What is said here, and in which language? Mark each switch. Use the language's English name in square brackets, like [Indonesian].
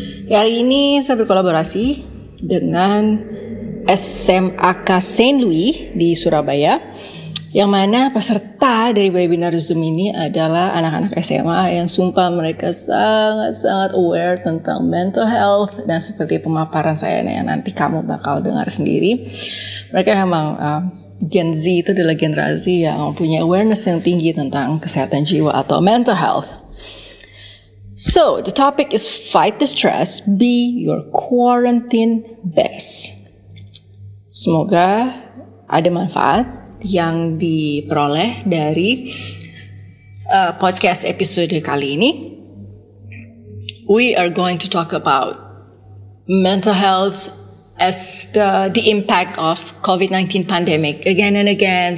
[Indonesian] Kali ini saya berkolaborasi dengan SMAK Saint Louis di Surabaya, yang mana peserta dari webinar Zoom ini adalah anak-anak SMA yang sumpah mereka sangat-sangat aware tentang mental health, dan seperti pemaparan saya yang nanti kamu bakal dengar sendiri, mereka memang Gen Z itu adalah generasi yang punya awareness yang tinggi tentang kesehatan jiwa atau mental health. [English] So, the topic is fight the stress, be your quarantine best. [Indonesian] Semoga ada manfaat yang diperoleh dari podcast episode kali ini. [English] We are going to talk about mental health as the impact of COVID-19 pandemic again and again.